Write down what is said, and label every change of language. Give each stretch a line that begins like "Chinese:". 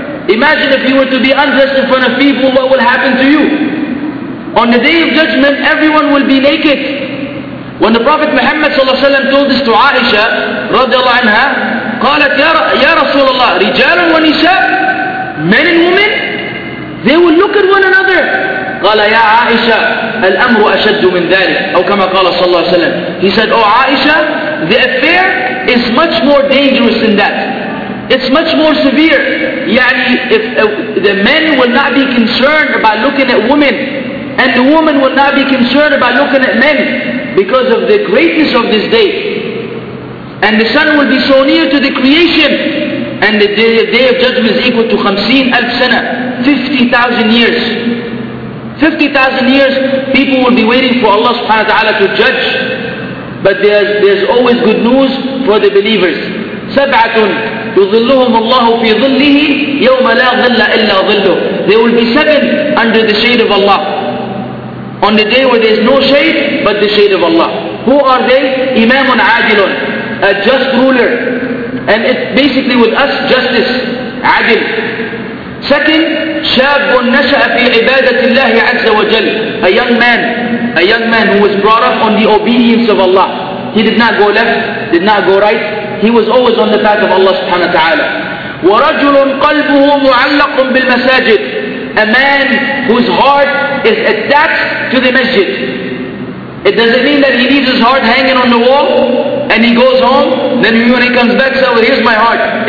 English: Imagine if you were to be undressed in front of people, what will happen to you? On the Day of Judgment, everyone will be naked. When the Prophet Muhammad ﷺ told this to Aisha radiallahu anha,
Arabic: قالت يا رسول الله رجال ونساء,
English: men and women, they will look at one another.
Arabic: قال يا عائشة الأمر أشد من ذلك. أو كما قال صلى الله عليه وسلم.
English: He said, oh Aisha, the affair is much more dangerous than that. It's much more severe. يعني if the men will not be concerned about looking at women, and the women will not be concerned about looking at men, because of the greatness of this day. And the sun will be so near to the creation, and the day of judgment is equal to 50,000 years. 50,000 years, people will be waiting for Allah subhanahu wa ta'ala to judge. But there's always good news for the believers.
Arabic: سَبْعَةٌ يُظِلُّهُمُ اللَّهُ فِي ظِلِّهِ يَوْمَ لَا ظِلَّ إِلَّا ظِلُّهُ.
English: There will be seven under the shade of Allah. On the day where there is no shade, but the shade of Allah. Who are they? Imamun Adilun. A just ruler. And it's basically with us, justice.
Arabic: Adil.
English: Second,
Arabic: شَابٌ نَشَأَ فِي عِبَادَةِ اللَّهِ عَزَّ وَجَلِّ.
English: A young man who was brought up on the obedience of Allah. He did not go left, did not go right. He was always on the path of Allah subhanahu wa ta'ala.
Arabic: وَرَجُلٌ قَلْبُهُ مُعَلَّقٌ بِالْمَسَاجِدِ.
English: A man whose heart is attached to the masjid. It doesn't mean that he leaves his heart hanging on the wall and he goes home, then when he comes back, says, well, here's my heart.